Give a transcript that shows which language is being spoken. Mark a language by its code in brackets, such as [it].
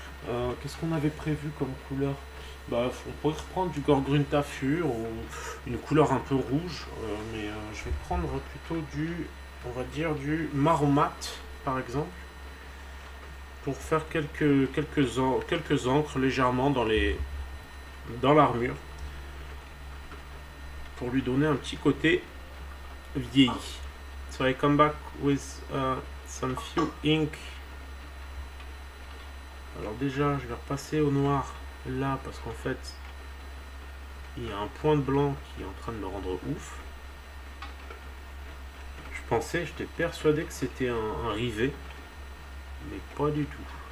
[fr] Qu'est-ce qu'on avait prévu comme couleur? Bah, on pourrait reprendre du Gorgrün Tafur ou une couleur un peu rouge, mais je vais prendre plutôt du, on va dire, du marron mat, par exemple, pour faire quelques encres légèrement dans l'armure, pour lui donner un petit côté vieilli. [en] So I come back with some few ink. [fr] Alors déjà, je vais repasser au noir là parce qu'en fait, il y a un point de blanc qui est en train de me rendre ouf. Je pensais, j'étais persuadé que c'était un rivet, mais pas du tout.